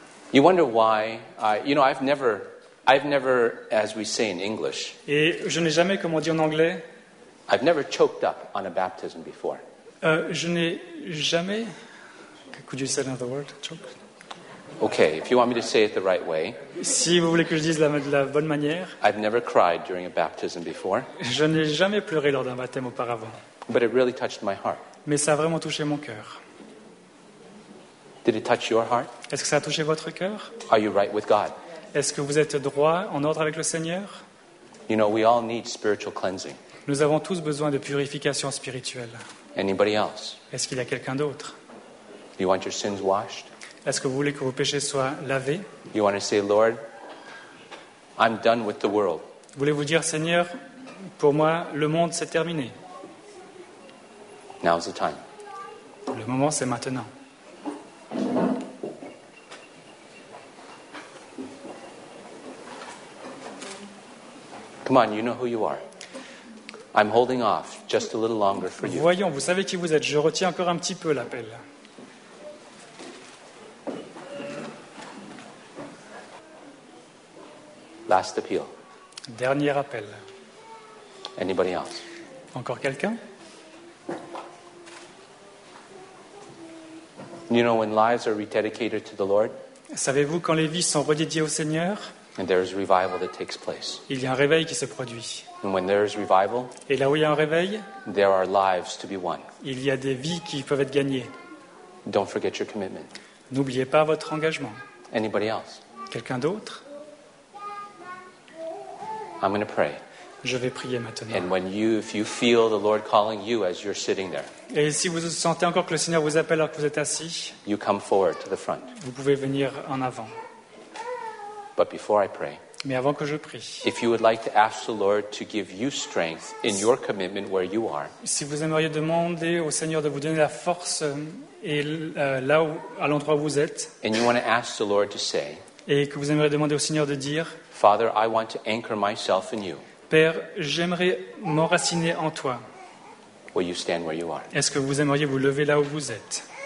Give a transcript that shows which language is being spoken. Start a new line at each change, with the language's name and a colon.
English: You wonder why I've never as we say in English.
French: Et je n'ai jamais, comme on dit en anglais,
English: I've never choked up on a baptism before.
French: Je n'ai jamais.
English: Could you say another word? Choke. Okay, if you want me to say it the right way.
French: Si vous voulez que je dise la bonne manière.
English: I've never cried during a baptism before.
French: Je n'ai jamais pleuré lors d'un baptême auparavant.
English: But it really touched my heart.
French: Mais ça a vraiment touché mon cœur.
English: Did it touch your heart?
French: Est-ce que ça a touché votre cœur?
English: Are you right with God?
French: Est-ce que vous êtes droit en ordre avec le Seigneur?
English: You know, we all need spiritual cleansing.
French: Nous avons tous besoin de purification spirituelle.
English: Anybody else?
French: Est-ce qu'il y a quelqu'un d'autre?
English: You want your sins washed?
French: Est-ce que vous voulez que vos péchés soient lavés?
English: You want to say, Lord, I'm done with the world.
French: Voulez-vous dire, Seigneur, pour moi, le monde s'est terminé?
English: Now's the time.
French: Le moment, c'est maintenant.
English: Come on, you know who you are. I'm holding off just a little longer for you.
French: Voyons, vous savez qui vous êtes. Je retiens encore un petit peu l'appel.
English: Last appeal.
French: Dernier appel.
English: Anybody else?
French: Encore quelqu'un?
English: You know, when lives are rededicated to the Lord,
French: savez-vous quand les vies sont redédiées au Seigneur?
English: And there is revival that takes place.
French: Il y a un réveil qui se produit.
English: And when there is revival,
French: et là où il y a un réveil,
English: there are lives to be won.
French: Il y a des vies qui peuvent être gagnées.
English: Don't forget your commitment.
French: N'oubliez pas votre engagement.
English: Anybody else?
French: Quelqu'un d'autre?
English: I'm going to pray.
French: Je vais prier maintenant.
English: And when you, if you feel the Lord calling you as you're sitting there,
French: et si vous sentez encore que le Seigneur vous appelle alors que vous êtes assis,
English: you come forward to the front.
French: Vous pouvez venir en avant.
English: But before I pray,
French: mais avant que je prie,
English: if you would like to ask the Lord to give you strength in your commitment where you are,
French: si vous aimeriez demander au Seigneur de vous donner la force et là où, à l'endroit où vous êtes,
English: and you want to ask the Lord to say,
French: et que vous aimeriez demander au Seigneur de dire,
English: Father, I want to anchor myself in you.
French: Père, j'aimerais m'enraciner en toi.
English: Will you stand where you are?
French: Est-ce que vous aimeriez vous lever là où vous êtes?